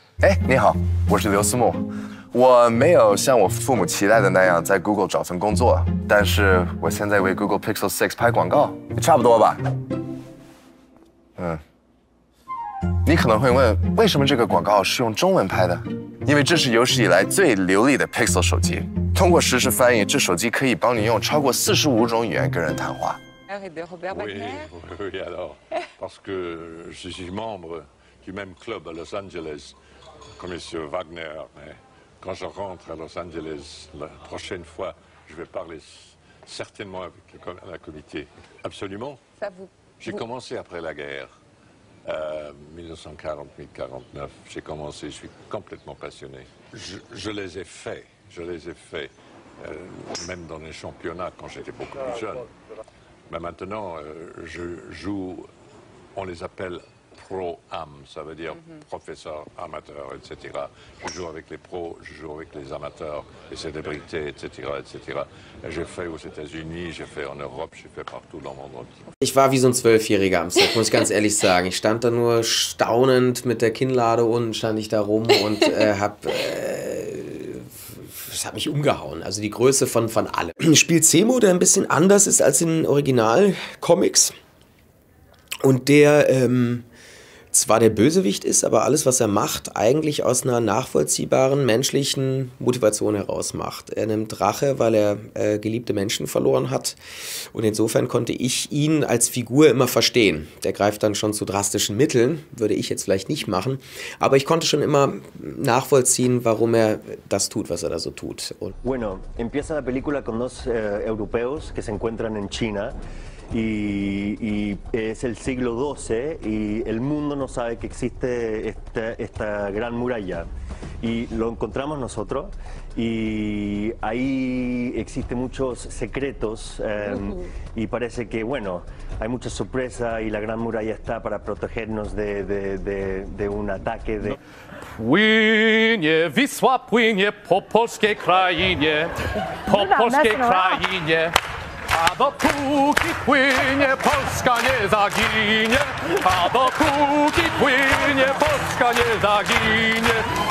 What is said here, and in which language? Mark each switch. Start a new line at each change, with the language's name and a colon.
Chinese: Hey, 你好，我是刘思慕。我没有像我父母期待的那样在 Google 找份工作，但是我现在为 Google Pixel 6 拍广告，差不多吧？嗯。你可能会问，为什么这个广告是用中文拍的？因为这是有史以来最流利的 Pixel 手机。通过实时翻译，这手机可以帮你用超过45种语言跟人谈话。
French: Oui, alors, parce que je suis membre du même club à Los Angeles que Monsieur Wagner. Mais quand je rentre à Los Angeles la prochaine fois, je vais parler certainement avec la comité. Absolument. Ça vous. J'ai commencé après la guerre, 1940-1949. J'ai commencé. Je suis complètement passionné. Je les ai faits. Je les ai faits, même dans les championnats quand j'étais beaucoup plus jeune. Mais maintenant, je joue, on les appelle pro-am, ça veut dire professeur, amateur, etc. Je joue avec les pros, je joue avec les amateurs, les célébrités, etc. etc. Et j'ai fait aux États-Unis, j'ai fait en Europe, j'ai fait partout dans le monde.
German: Ich war wie so ein 12-Jähriger am Set, muss ich ganz ehrlich sagen. Ich stand da nur staunend mit der Kinnlade unten, stand ich da rum und hab... Das hat mich umgehauen, also die Größe von allem. Ein Spiel Zemo, der ein bisschen anders ist als in Original-Comics. Und der zwar der Bösewicht ist, aber alles, was er macht, eigentlich aus einer nachvollziehbaren menschlichen Motivation heraus macht. Er nimmt Rache, weil er geliebte Menschen verloren hat. Und insofern konnte ich ihn als Figur immer verstehen. Der greift dann schon zu drastischen Mitteln, würde ich jetzt vielleicht nicht machen. Aber ich konnte schon immer nachvollziehen, warum er das tut, was er da so tut. Und
Spanish: bueno, empieza la película con dos europeos que se encuentran en China. Y es el siglo XII y el mundo no sabe que existe esta gran muralla y lo encontramos nosotros y ahí existen muchos secretos y parece que bueno, hay mucha sorpresa y la gran muralla está para protegernos de un ataque de...
Polish: Płynie Wisła, płynie po polskiej krainie, po polskiej krainie. A dopóki płynie, Polska nie zaginie. A dopóki płynie, Polska nie zaginie.